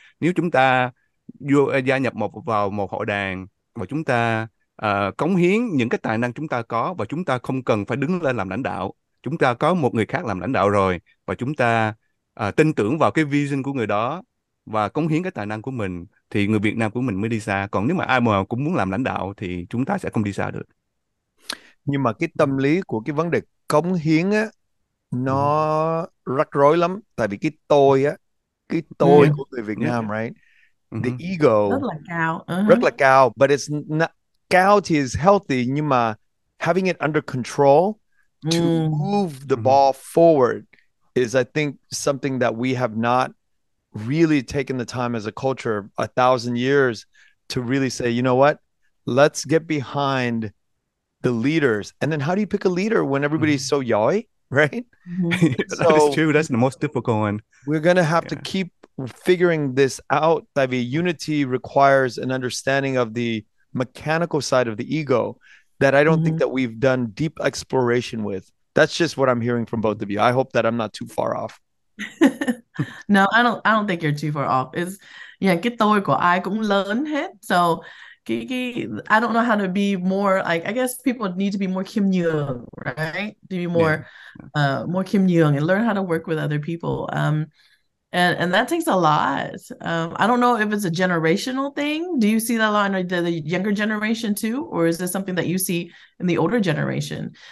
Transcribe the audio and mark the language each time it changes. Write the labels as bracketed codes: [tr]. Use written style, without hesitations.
[vi] Nếu chúng ta gia nhập vào một hội đoàn và chúng ta cống hiến những cái tài năng chúng ta có, và chúng ta không cần phải đứng lên làm lãnh đạo, chúng ta có một người khác làm lãnh đạo rồi, và chúng ta tin tưởng vào cái vision của người đó và cống hiến cái tài năng của mình, thì người Việt Nam của mình mới đi xa. Còn nếu mà ai mà cũng muốn làm lãnh đạo thì chúng ta sẽ không đi xa được. Nhưng mà cái tâm lý của cái vấn đề cống hiến á, nó rắc rối lắm. Tại vì cái tôi của người Việt Nam, right? [en] The ego [vi] rất là cao, [en] but it's not [vi] cao thì [en] is healthy, [vi] nhưng mà [en] having it under control to move the ball forward is, I think, something that we have not really taken the time as a culture 1,000 years to really say, you know what, let's get behind the leaders. And then how do you pick a leader when everybody's so yoy, right? So that's true. That's the most difficult one. We're going to have to keep figuring this out. I mean, unity requires an understanding of the mechanical side of the ego that I don't think that we've done deep exploration with. That's just what I'm hearing from both of you. I hope that I'm not too far off. No, I don't think you're too far off. [vi] It's, yeah, cái tôi của ai cũng lớn hết. [en] So I don't know how to be more, like, I guess people need to be more khiêm nhường, right? To be more more khiêm nhường and learn how to work with other people. And that takes a lot. I don't know if it's a generational thing. Do you see that a lot in the younger generation too? Or is this something that you see in the older generation?